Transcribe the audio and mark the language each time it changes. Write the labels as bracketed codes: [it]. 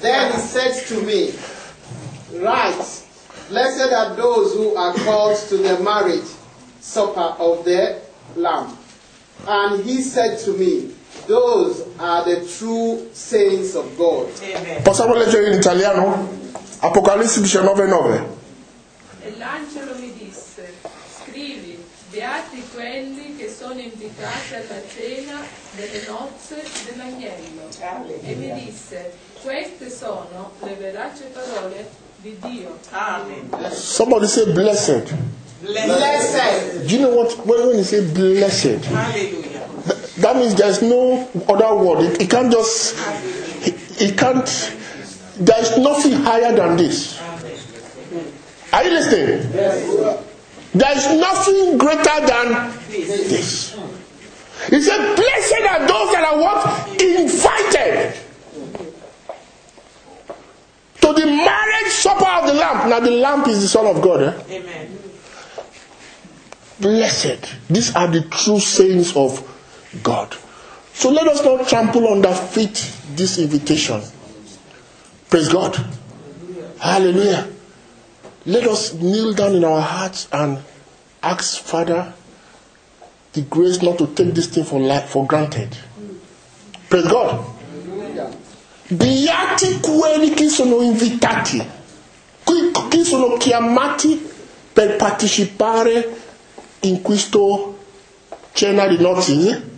[en] Then he said to me, write, blessed are those who are called to the marriage supper of the Lamb. And he said to me, those are the true saints of God. Amen. [it] Possiamo leggere in italiano? Apocalisse 19:9. E l'angelo mi disse, scrivi, beati quelli che sono invitati alla cena delle nozze dell'agnello. E mi disse, queste sono le verace parole di Dio. Amen. [en] Somebody say blessed. Blessed. Do you know what, when you say blessed? Hallelujah. That means there's no other word. It can't just, it can't, there's nothing higher than this. Are you listening? Yes. There's nothing greater than this. He said, blessed are those that are what? Invited to the marriage supper of the Lamb. Now the Lamb is the Son of God. Eh? Amen. Blessed. These are the true saints of God. So let us not trample underfoot this invitation. Praise God. Hallelujah. Let us kneel down in our hearts and ask Father the grace not to take this thing for granted. Praise God. [it] Beati quelli che sono invitati, che sono chiamati per partecipare in questo cena di nozze.